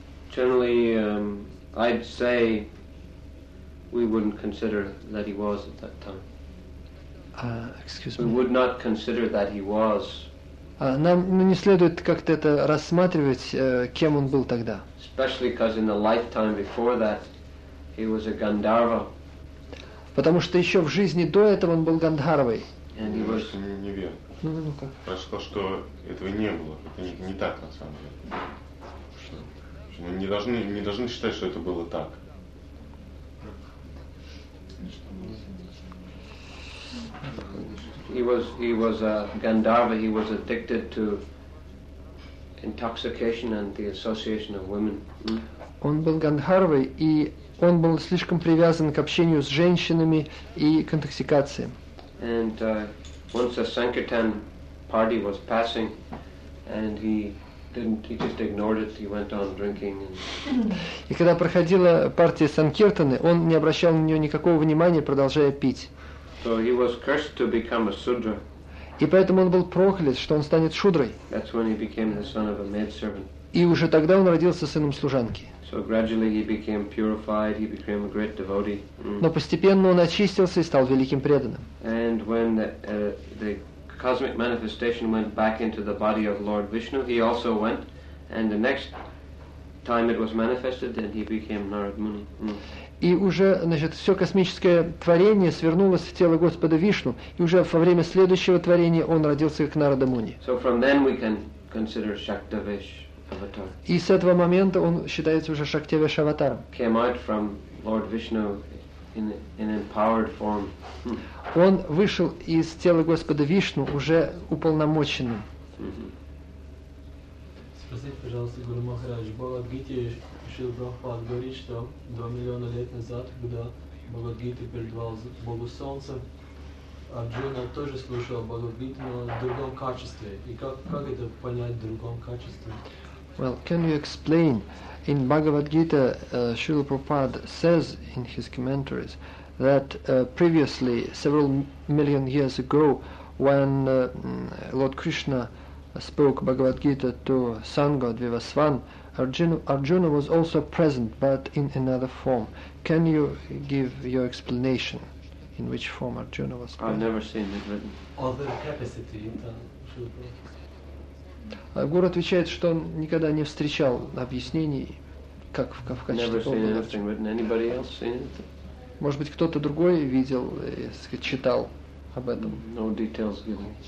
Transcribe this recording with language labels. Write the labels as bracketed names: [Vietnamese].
[English] Generally, I'd say we wouldn't consider that he was at that time. Excuse me. We would not consider that he was. [Russian] Нам не следует как-то это рассматривать, кем он был тогда. [English] Especially because in the lifetime before that, he was a Gandharva. [Russian] Потому что еще в жизни до этого он был Гандхарвой. [English] And he was. [Russian] Неверно. Ну как? Я сказал, что этого не было. Это не так на самом деле. Что? Мы не должны считать, что это было так. [English] He was a Gandharva. He was addicted to intoxication and the association of women. [Russian] Он был Гандхарвой, и он был слишком привязан к общению с женщинами и к интоксикациям. [English] And once a Sankirtan party was passing, and he just ignored it. He went on drinking. [Russian] И когда проходила партия Санкиртаны, он не обращал на нее никакого внимания, продолжая пить. [English] So he was cursed to become a sudra. [Russian] И поэтому он был проклят, что он станет шудрой. [English] That's when he became the son of a maidservant. [Russian] И уже тогда он родился сыном служанки. [English] So gradually he became purified, he became a great devotee. [Russian] Но постепенно он очистился и стал великим преданным. [English] And when the cosmic manifestation went back into the body of Lord Vishnu, he also went, and the next time it was manifested, then he became Narad Muni. [Russian] И уже, значит, все космическое творение свернулось в тело Господа Вишну, и уже во время следующего творения он родился как Нарада Муни. [English] So from then we can consider Shaktavesh avatar. [Russian] И с этого момента он считается уже Шактивеш аватаром. [English] Came out from Lord Vishnu in empowered form. [Russian] Он вышел из тела Господа Вишну уже уполномоченным. Спросите, пожалуйста, Гуру Махарадж, Бхагавад-гите, Шрила Прабхупада говорит, что 2 миллиона лет назад, когда Бхагавад-гиту передавал Богу Солнце, Арджуна тоже слушал Бхагавад-гиту, но в другом качестве. И как это понять в другом качестве? [English] Well, can you explain? In Bhagavad-gita, Шрила Прабхупада says in his commentaries that previously, several million years ago, when Lord Krishna spoke Bhagavad-gita to Sangha Dvivasvan, Arjuna was also present, but in another form. Can you give your explanation in which form Arjuna was present? I've never seen it written. Other capacity in [Russian] the Guru отвечает, что он никогда не встречал объяснений, как в качестве [English] Never seen anything written. Anybody else seen it? [Russian] Может быть, кто-то другой видел, сказать, читал об этом? [English] No details given.